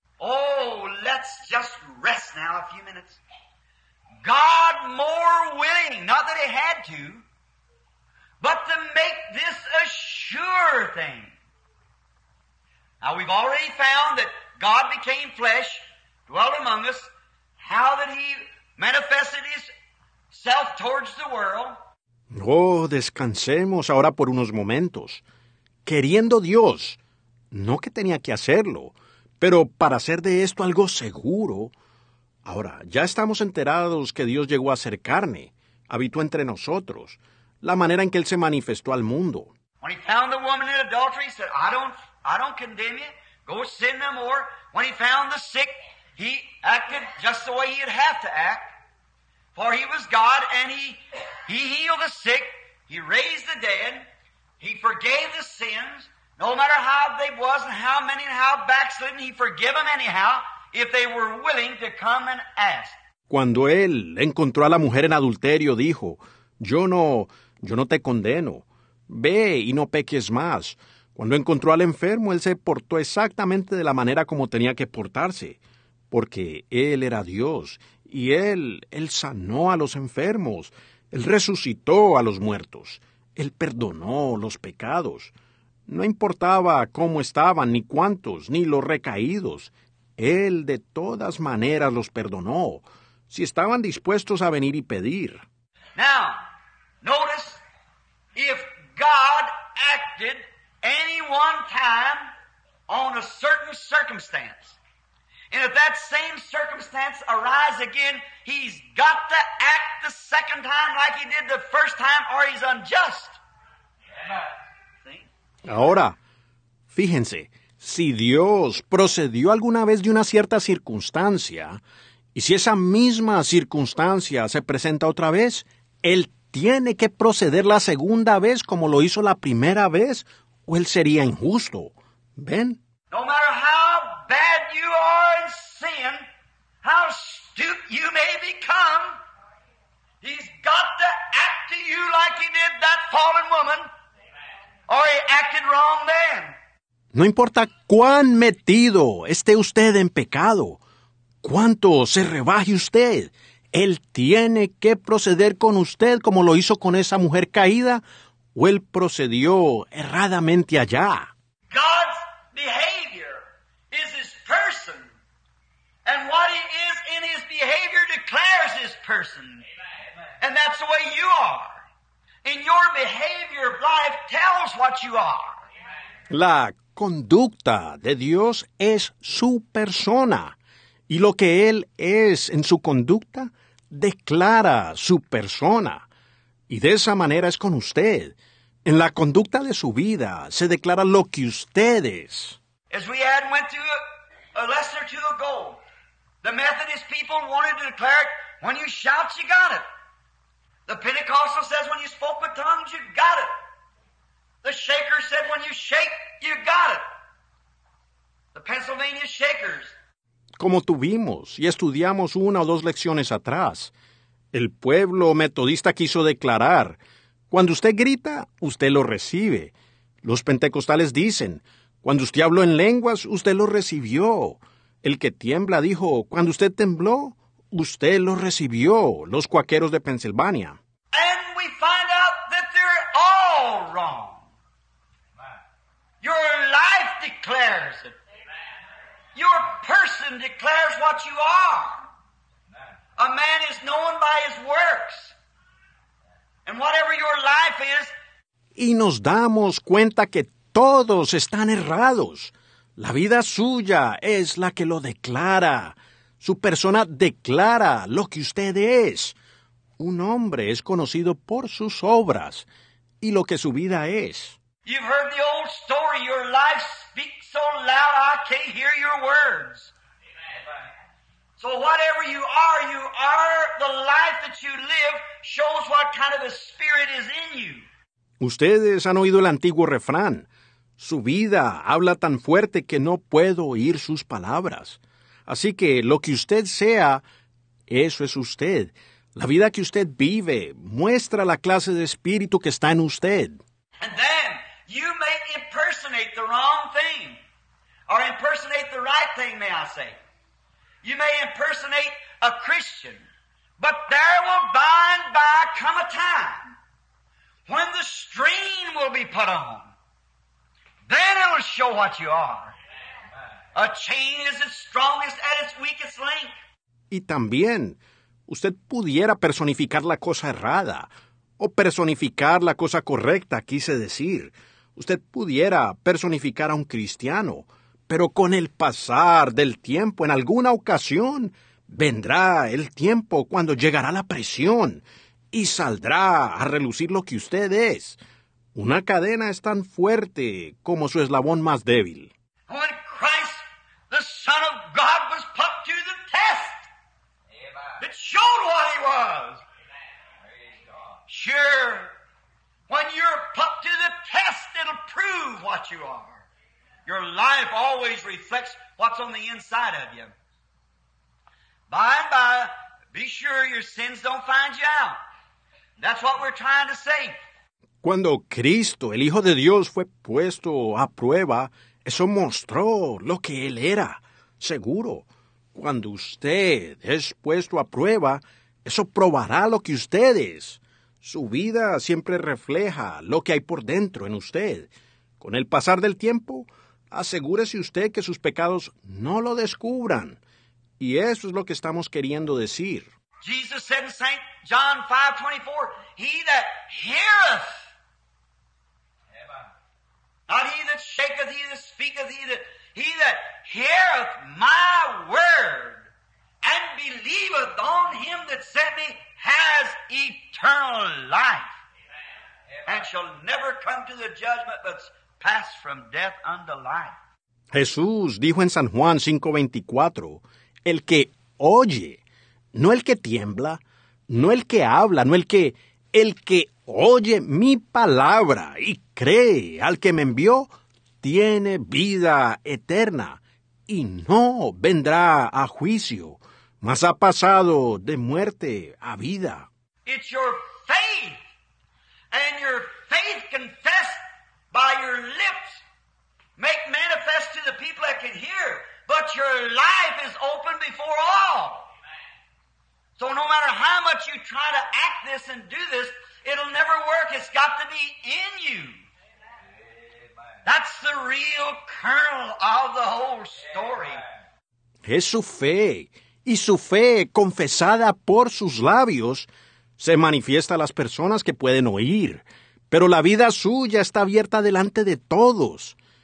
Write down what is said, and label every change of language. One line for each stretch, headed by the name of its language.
English: Oh, let's just rest now a few minutes. God more willing, not that he had to, but to make this a sure thing. Now, we've already found that God became flesh, dwelt among us, how that he manifested his self towards the world.
Spanish: Oh, descansemos ahora por unos momentos. Queriendo Dios, no que tenía que hacerlo, pero para hacer de esto algo seguro. Ahora, ya estamos enterados que Dios llegó a ser carne, habitó entre nosotros, la manera en que Él se manifestó al mundo.
English: When he found the woman in adultery, he said, I don't condemn you, go sin no more. When he found the sick, he acted just the way he'd have to act. For he was God, and he healed the sick, he raised the dead, he forgave the sins, no matter how they was and how many and how backslidden, he forgave them anyhow, if they were willing to come and ask.
Spanish: Cuando él encontró a la mujer en adulterio, dijo, yo no te condeno, ve y no peques más. Cuando encontró al enfermo, él se portó exactamente de la manera como tenía que portarse, porque él era Dios. Y él sanó a los enfermos, él resucitó a los muertos, él perdonó los pecados. No importaba cómo estaban, ni cuántos, ni los recaídos, él de todas maneras los perdonó, si estaban dispuestos a venir y pedir.
English: Now, notice, if God acted any one time on a certain circumstance, and if that same circumstance arise again, he's got to act the second time like he did the first time, or he's unjust. Yeah.
Spanish: Ahora, fíjense, si Dios procedió alguna vez de una cierta circunstancia, y si esa misma circunstancia se presenta otra vez, Él tiene que proceder la segunda vez como lo hizo la primera vez, o Él sería injusto. ¿Ven?
English: No matter how bad you are in sin, how stupid you may become, he's got to act to you like he did that fallen woman, or he acted wrong then.
Spanish: No importa cuán metido esté usted en pecado, cuánto se rebaje usted, él tiene que proceder con usted como lo hizo con esa mujer caída, o él procedió erradamente allá.
English: God's behavior is his person, and what he is in his behavior declares his person. Amen. And that's the way you are. In your behavior, life tells what you are.
Spanish: La conducta de Dios es su persona, y lo que él es en su conducta declara su persona, y de esa manera es con usted. En la conducta de su vida se declara lo que usted es.
English: As we had went to a lesson or two ago, the Methodist people wanted to declare it, when you shout, you got it. The Pentecostal says, when you spoke with tongues, you got it. The Shaker said, when you shake, you got it. The Pennsylvania Shakers.
Spanish: Como tuvimos y estudiamos una o dos lecciones atrás, el pueblo metodista quiso declarar, cuando usted grita, usted lo recibe. Los pentecostales dicen, cuando usted habló en lenguas, usted lo recibió. El que tiembla dijo, cuando usted tembló, usted lo recibió. Los cuaqueros de Pensilvania.
English: And we find out that they're all wrong. Your life declares it. Amen. Your person declares what you are. Amen. A man is known by his works. And whatever your life is.
Spanish: Y nos damos cuenta que todos están errados. La vida suya es la que lo declara. Su persona declara lo que usted es. Un hombre es conocido por sus obras y lo que su vida es.
English: You've heard the old story, your life speaks so loud I can't hear your words. Amen. So whatever you are the life that you live shows what kind of a spirit is in you.
Spanish: Ustedes han oído el antiguo refrán, su vida habla tan fuerte que no puedo oír sus palabras. Así que lo que usted sea, eso es usted. La vida que usted vive muestra la clase de espíritu que está en usted.
English: And then, you may impersonate the wrong thing. or impersonate the right thing, may I say. You may impersonate a Christian, but there will by and by come a time when the strain will be put on. Then it will show what you are. A chain is its strongest at its weakest link.
Spanish: Y también, usted pudiera personificar la cosa errada o personificar la cosa correcta, quise decir. Usted pudiera personificar a un cristiano, pero con el pasar del tiempo, en alguna ocasión, vendrá el tiempo cuando llegará la presión y saldrá a relucir lo que usted es. Una cadena es tan fuerte como su eslabón más débil.
English: When Christ, the Son of God, was put to the test, it showed what he was. Sure, when you're put to the test, it'll prove what you are. Your life always reflects what's on the inside of you. By and by, be sure your sins don't find you out. That's what we're trying to say.
Spanish: Cuando Cristo, el Hijo de Dios, fue puesto a prueba, eso mostró lo que Él era. Seguro, cuando usted es puesto a prueba, eso probará lo que usted es. Su vida siempre refleja lo que hay por dentro en usted. Con el pasar del tiempo, asegúrese usted que sus pecados no lo descubran. Y eso es lo que estamos queriendo decir.
English: Jesus said in St. John 5:24, he that heareth, not he that shaketh, he that speaketh, he that heareth my word and believeth on him that sent me has eternal life. And shall never come to the judgment, but pass from death unto life.
Spanish: Jesús dijo en San Juan 5:24, el que oye, no el que tiembla, no el que habla, no el que oye mi palabra y cree al que me envió, tiene vida eterna y no vendrá a juicio, mas ha pasado de muerte a vida.
English: It's your faith, and your faith confessed by your lips, make manifest to the people that can hear, but your life is open before all. So no matter how much you try to act this and do this, it'll never work. It's got to be in you. Amen. That's the real kernel of the whole story.
Spanish: Es su fe, y su fe confesada por sus labios se manifiesta a las personas que pueden oír. Pero la vida suya está abierta delante de todos.